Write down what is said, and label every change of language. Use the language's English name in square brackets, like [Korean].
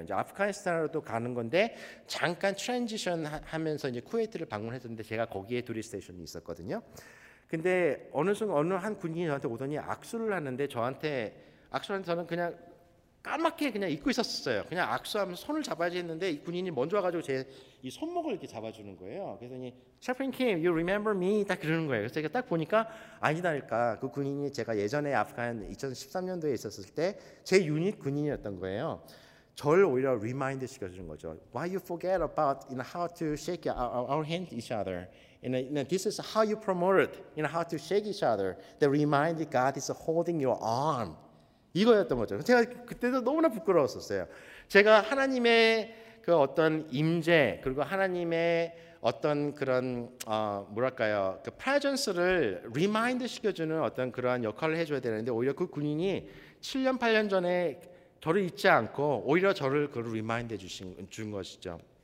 [Korean] 이제 아프가니스탄으로도 가는 건데 잠깐 트랜지션 하면서 이제 쿠웨이트를 방문했었는데 제가 거기에 둘이 스테이션이 있었거든요. 근데 어느 순간 어느 한 군인이 저한테 오더니 악수를 하는데 저한테 악수하는데 저는 그냥 까맣게 그냥 잊고 있었어요. 그냥 악수하면서 손을 잡아야지 했는데 이 군인이 먼저 와가지고 제 이 손목을 이렇게 잡아주는 거예요. 그래서 이 [English] Chaplain Kim, you remember me? [Korean] 딱 그러는 거예요. 그래서 제가 딱 보니까 아니다니까. 그 군인이 제가 예전에 아프간 2013년도에 있었을 때 제 유닛 군인이었던 거예요. 저를 오히려 리마인드 시켜주는 거죠. [English] Why you forget about you know, how to shake our hand each other? And this is how you promoted, you know, how to shake each other. The reminder God is holding your arm. [Korean] 이거였던 거죠. 제가 그때도 너무나 부끄러웠었어요. 제가 하나님의 그 어떤 임재 그리고 하나님의 어떤 그런 뭐랄까요 그 presence를 리마인드 시켜주는 어떤 그러한 역할을 해줘야 되는데 오히려 그 군인이 7년 8년 전에 저를 잊지 않고 오히려 저를 그 리마인드 준 것이죠.